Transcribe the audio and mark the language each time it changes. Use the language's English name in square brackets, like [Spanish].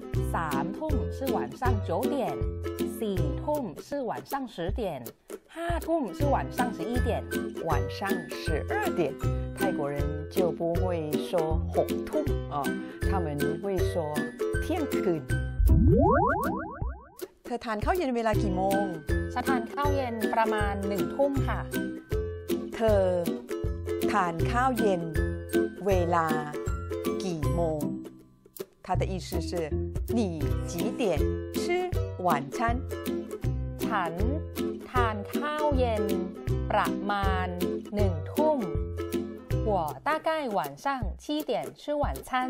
[Chinese] 3ทุ่ม是晚上9点，4ทุ่ม是晚上10点，5ทุ่ม是晚上11点。晚上12点泰国人就不会说6ทุ่ม，他们会说เที่ยงคืน。 [Thai] เธอทานข้าวเย็นเวลากี่โมง？ ฉันทานข้าวเย็นประมาณ1ทุ่มค่ะ。 เธอทานข้าวเย็นเวลากี่โมง？ [Chinese] 他的意思是你几点吃晚餐？ [Thai] ฉันทานข้าวเย็นประมาณ1ทุ่ม。 [Chinese] 我大概晚上七点吃晚餐。